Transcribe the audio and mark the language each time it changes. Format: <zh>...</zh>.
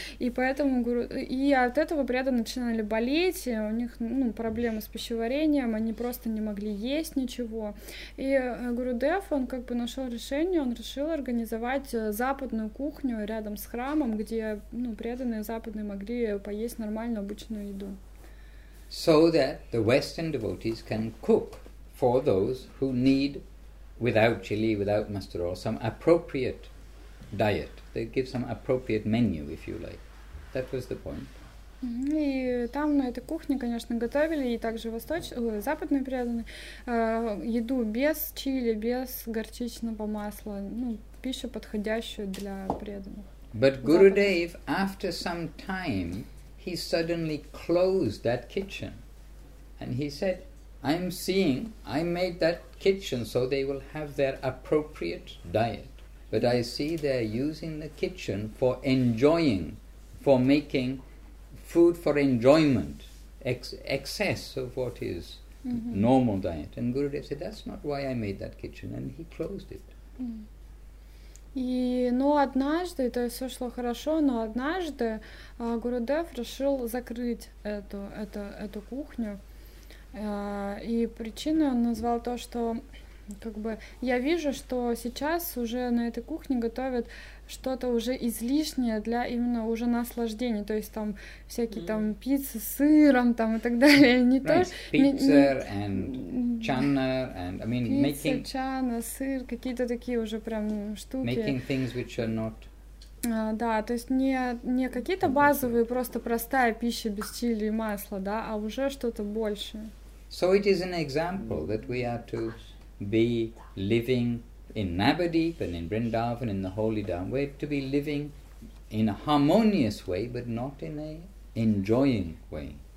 <ru>И поэтому, и от этого преданные начинали болеть, у них, ну, проблемы с пищеварением, они просто не могли есть ничего. И Гурудев, он как бы нашел решение, он решил организовать западную кухню рядом с храмом, где, ну, преданные западные могли поесть нормальную обычную еду.</ru> <en>So that the Western devotees can cook for those who need, without chili, without mustard oil, some appropriate diet. They give some appropriate menu, if you like. That was the point.</en> <ru>И там на этой кухне, конечно, готовили, и также западные преданные, еду без чили, без горчичного масла, ну, пищу подходящую для преданных.</ru> <en>But Gurudev, after some time, he suddenly closed that kitchen. And he said, I'm seeing, I made that kitchen so they will have their appropriate diet. But I see they're using the kitchen for enjoying, for making food for enjoyment, excess of what is mm-hmm. normal diet. And Gurudev said, that's not why I made that kitchen, and he closed it.</en> <ru>И, ну, однажды, то есть все шло хорошо, но однажды Гурудев решил закрыть эту кухню. И причину он назвал то, что как бы я вижу, что сейчас уже на этой кухне готовят что-то уже излишнее для именно уже наслаждения, то есть там всякие там пиццы с сыром там и так далее, не</ru> <en>right.</en> <ru>то</ru> <en>пицца and чанна and I mean pizza, making</en> <ru>чанна сыр какие-то такие уже прям штуки</ru> <en>making things which are not</en> <ru>да, то есть не какие-то базовые просто простая пища без чили и масла, да, а уже что-то большее.</ru> <en>So it is an example that we are to be living in Navadvip and in Vrindavan, in the holy Dham, we're to be living in a harmonious way, but not in a enjoying way.</en>